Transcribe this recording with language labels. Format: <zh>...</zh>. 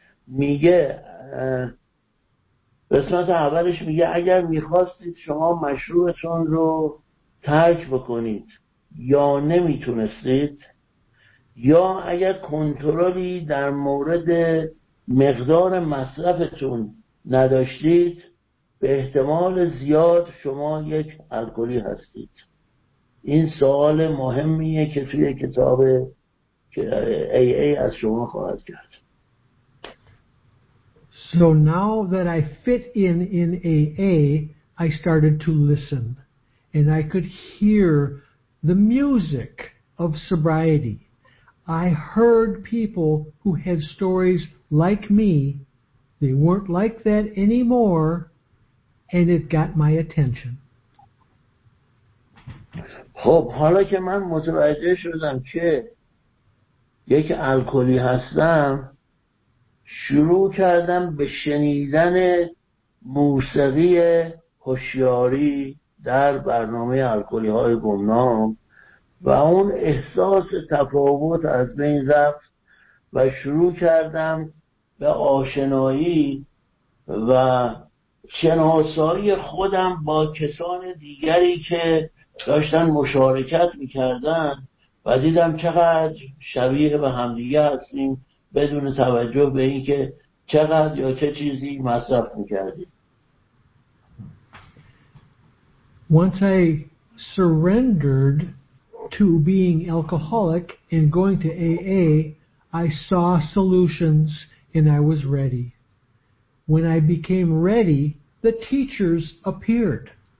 <fa>میگه قسمت اولش میگه اگر میخواستید شما مشروبتون رو ترک بکنید یا نمیتونستید، یا اگر کنترلی در مورد مقدار مصرفتون نداشتید به احتمال زیاد شما یک الکلی هستید. این سوال مهمیه که توی کتاب AA از شما خواهد کرد.</fa> <en>So now that I fit in AA, I started to listen and I could hear the music of sobriety. I heard people who had stories like me. They weren't like that anymore, and it got my attention.</en> <fa>خب حالا که من متوجه شدم که یک الکلی هستم، شروع کردم به شنیدن موسیقی هوشیاری در برنامه الکلی های گمنام و اون احساس تفاوت از بین رفت و شروع کردم به آشنایی و شناسایی خودم با کسان دیگری که داشتن مشارکت میکردن و دیدم چقدر شبیه به همدیگه هستیم بدون توجه به این که چقدر یا چه چیزی مصرف میکردیم.</fa> <en>Once I surrendered to being alcoholic and going to AA, I saw solutions and I was ready. When I became ready, the teachers appeared.</en>